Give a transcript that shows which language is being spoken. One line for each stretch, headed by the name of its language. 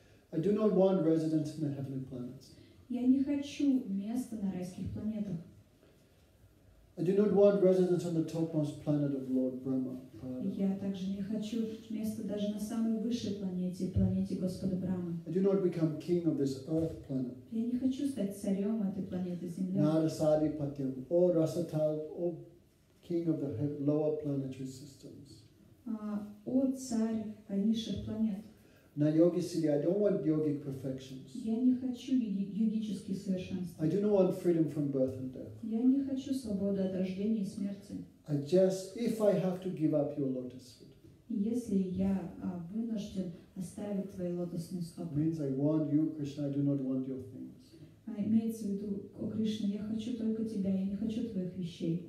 English: I do not want residence in the heavenly planets.
Russian: Я не хочу места на райских планетах.
English: I do not want residence on the topmost planet of Lord Brahma.
Russian: Я также не хочу места даже на самой высшей планете, планете Господа Брахма.
English: I do not become king of this earth planet.
Russian: Я не хочу стать царем этой планеты Земля.
Sanskrit: Нарасади патьям, о расатал,
English: о king of the lower planetary systems.
Russian: О царь низших планет.
Sanskrit: На йоги сидя,
English: I don't want yogic perfections.
Russian: Я не хочу йогические совершенства.
English: I do not want freedom from birth and death.
Russian: Я не хочу свободы от рождения и смерти.
English: I just, if I have to give up your lotus feet.
Russian: Если я вынужден оставить твои лотосные стопы.
English: Means I want you, Krishna. I do not want your things.
Russian: Имеется в виду, о Кришна, я хочу только тебя, я не хочу твоих вещей.